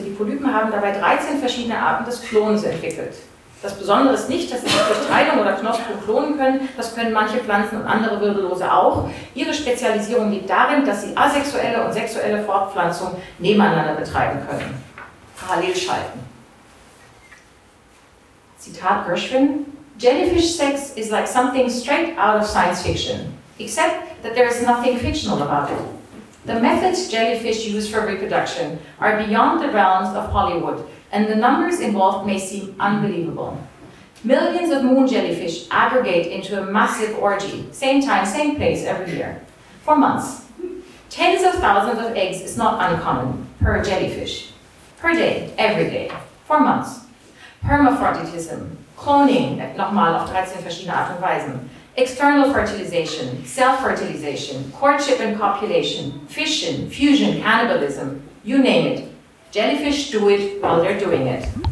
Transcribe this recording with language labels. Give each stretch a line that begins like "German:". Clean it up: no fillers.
German: die Polypen haben dabei 13 verschiedene Arten des Klonens entwickelt. Das Besondere ist nicht, dass sie sich durch Teilung oder Knospung klonen können, das können manche Pflanzen und andere Wirbellose auch. Ihre Spezialisierung liegt darin, dass sie asexuelle und sexuelle Fortpflanzung nebeneinander betreiben können. Parallel schalten. Zitat
English: Gershwin: "Jellyfish sex is like something straight out of science fiction, except that there is nothing fictional about it. The methods jellyfish use for reproduction are beyond the realms of Hollywood, and the numbers involved may seem unbelievable. Millions of moon jellyfish aggregate into a massive orgy, same time, same place every year, for months. Tens of thousands of eggs is not uncommon per jellyfish. Per day, every day, for months. Hermaphroditism, cloning,
German: nochmal auf 13 verschiedene Art und Weisen.
English: External fertilization, self-fertilization, courtship and copulation, fission, fusion, cannibalism, you name it. Jellyfish do it while they're doing it."